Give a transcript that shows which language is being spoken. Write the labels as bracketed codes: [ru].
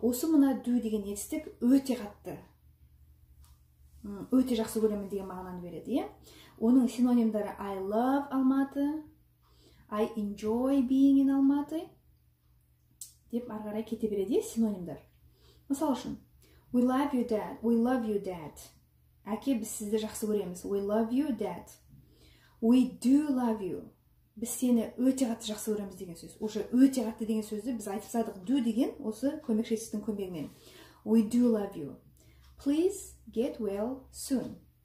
[kk] Осы мына do деген естік өте қатты. Өте жақсы көремін деген мағынаны береді. Оның синонимдары [en] I love Алматы, I enjoy being in Алматы [kk] деп арғарай кете береді синонимдар. Мысал үшін, [en] we love you dad, we love you dad. [kk] Әке, біз сізді жақсы көреміз. [en] We love you dad. We do love you. [kk] Біз сені өте қатты жақсы көреміз деген сөз. Осы өте қатты деген сөзді біз айтып садық. Do деген осы көмекші естіктің көмегімен. [en] We do love you. Please get well soon.